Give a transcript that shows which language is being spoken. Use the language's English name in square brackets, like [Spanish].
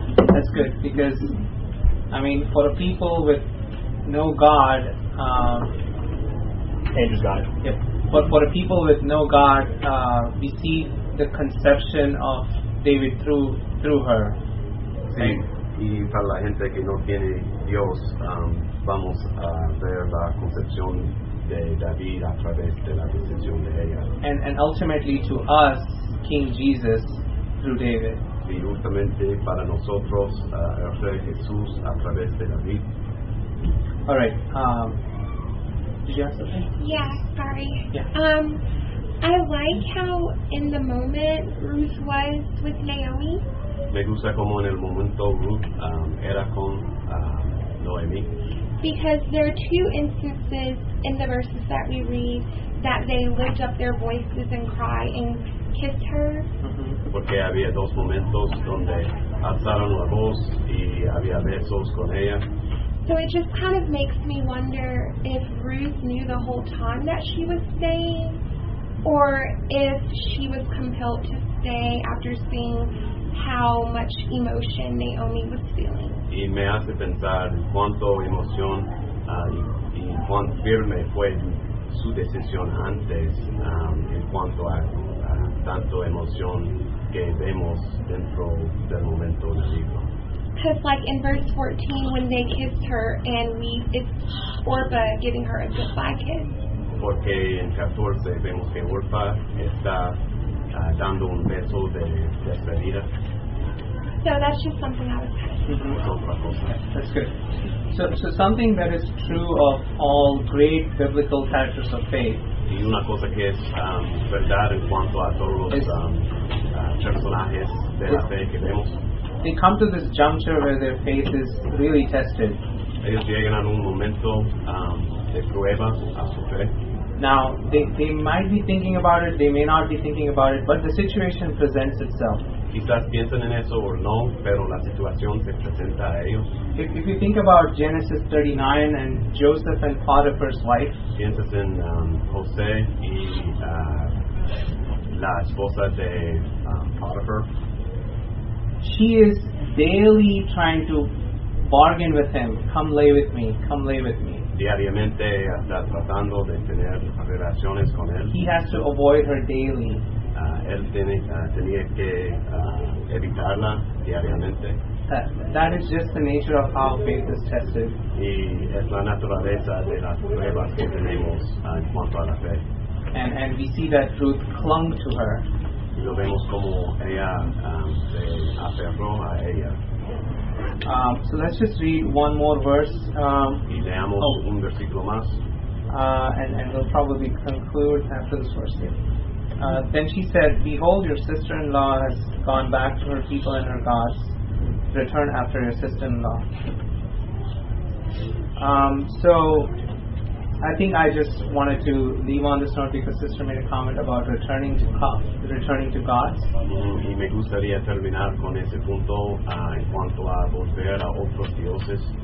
[English] That's good, because, I mean, for the people with no God... Andrew's God. Yep. But for the people with no God, we see the conception of David through her. [Spanish] Sí. Y para la gente que no tiene Dios, vamos a ver la concepción de David a través de la decisión de ella. [English] And ultimately to us, King Jesus, through David. [Spanish] Y justamente para nosotros, el Rey Jesús a través de David. [English] All right. Did you have something? Yeah, sorry. Yeah. I like how in the moment Ruth was with Naomi. [Spanish] Me gusta como en el momento Ruth era con Noemi. [English] Because there are two instances in the verses that we read that they lift up their voices and cry and kiss her. Mm-hmm. [Spanish] Porque había dos momentos donde alzaron la voz y había besos con ella. [English] So it just kind of makes me wonder if Ruth knew the whole time that she was staying, or if she was compelled to stay after seeing how much emotion Naomi was feeling. [Spanish] Y me hace pensar cuánto emoción y cuán firme fue su decisión antes en cuanto a tanto emoción que vemos dentro del momento del libro. [English] Because like in verse 14 when they kissed her and it's Orpah giving her a goodbye kiss. [Spanish] Porque en 14 vemos que Orpah está dando un beso de despedida. [English] So that's just something I was kind of thinking. That's good. So something that is true of all great biblical characters of faith. [Spanish] Y una cosa que es verdad en cuanto a todos los personajes de la fe que vemos. [English] They come to this juncture where their faith is really tested. [Spanish] Ellos llegan a un momento de prueba a su fe. [English] Now, they might be thinking about it, they may not be thinking about it, but the situation presents itself. [Spanish] Quizás piensen en eso o no, pero la situación se presenta a ellos. [English] If you think about Genesis 39 and Joseph and Potiphar's wife. [Spanish] Piensas en José y la esposa de Potiphar. [English] She is daily trying to bargain with him. Come lay with me. Come lay with me. [Spanish] Diariamente está tratando de tener relaciones con él. [English] He has to avoid her daily. [Spanish] Él tenía que evitarla diariamente. [English] That is just the nature of how faith is tested. [Spanish] Y es la naturaleza de las pruebas que tenemos en cuanto a la fe. [English] And we see that Ruth clung to her. [Spanish] Y lo vemos como ella se aferró a ella. [English] So let's just read one more verse. [Spanish] Y leamos un versículo más. [English] And we'll probably conclude after this verse here. Then she said, "Behold, your sister-in-law has gone back to her people and her gods. Return after your sister-in-law." So I think I just wanted to leave on this note because sister made a comment about returning to gods. [Spanish] Y me gustaría terminar con ese punto en cuanto a volver a otros dioses.